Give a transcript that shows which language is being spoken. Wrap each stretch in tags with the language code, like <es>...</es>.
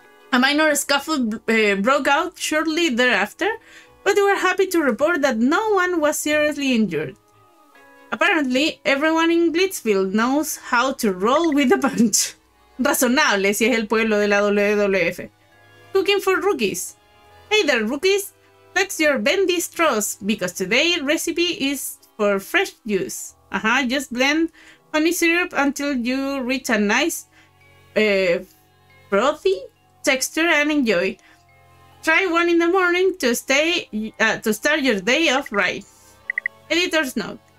<en>A minor scuffle broke out shortly thereafter, but we were happy to report that no one was seriously injured. Apparently, everyone in Blitzville knows how to roll with a punch.</en> <es>Razonable si es el pueblo de la WWF.</es> <en>Cooking for rookies. Hey there, rookies. Flex your bendy straws, because today's recipe is for fresh juice. Uh-huh, just blend honey syrup until you reach a nice frothy texture and enjoy. Try one in the morning to start your day off right. Editor's note.</en>